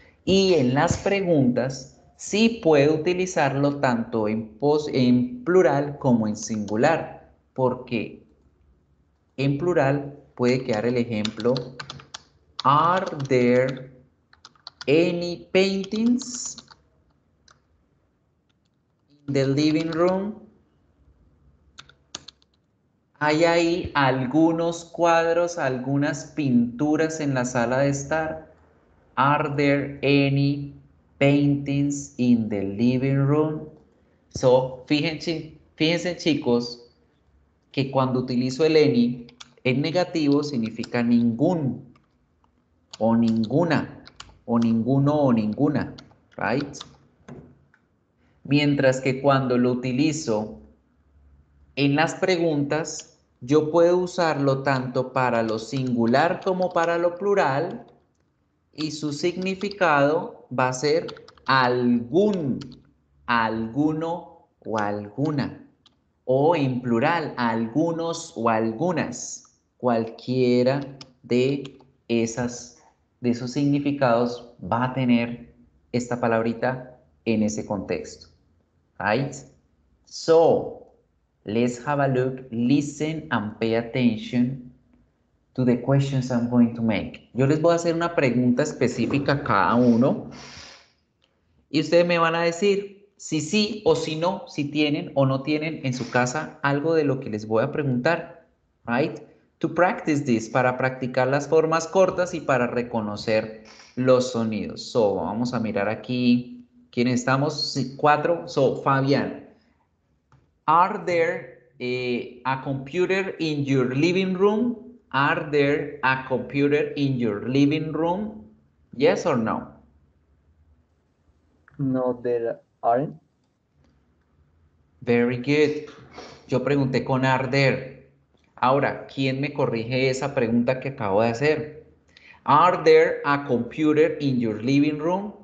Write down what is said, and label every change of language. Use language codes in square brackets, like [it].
[es] Y en las preguntas sí puedo utilizarlo tanto en plural como en singular, porque en plural puede quedar el ejemplo, [en] ¿Are there Any paintings in the living room? [es] ¿Hay ahí algunos cuadros, algunas pinturas en la sala de estar? [en] Are there any paintings in the living room? [es] So, fíjense chicos, que cuando utilizo el any, en negativo significa ningún, o ninguna, o ninguno, o ninguna, right? Mientras que cuando lo utilizo en las preguntas, yo puedo usarlo tanto para lo singular como para lo plural, y su significado va a ser algún, alguno o alguna. O en plural, algunos o algunas. Cualquiera de esos significados va a tener esta palabrita en ese contexto. [en] Right? So, let's have a look, listen and pay attention to the questions I'm going to make. [es] Yo les voy a hacer una pregunta específica a cada uno y ustedes me van a decir si sí o si no, si tienen o no tienen en su casa algo de lo que les voy a preguntar, [en] right? To practice this, [es] para practicar las formas cortas y para reconocer los sonidos. So, vamos a mirar aquí quiénes estamos, sí, cuatro. [en] So, Fabián, are there a computer in your living room? Are there a computer in your living room? Yes or no? No, there aren't. Very good. [es] Yo pregunté con [en] are there. [es] Ahora, ¿quién me corrige esa pregunta que acabo de hacer? [en] Are there a computer in your living room?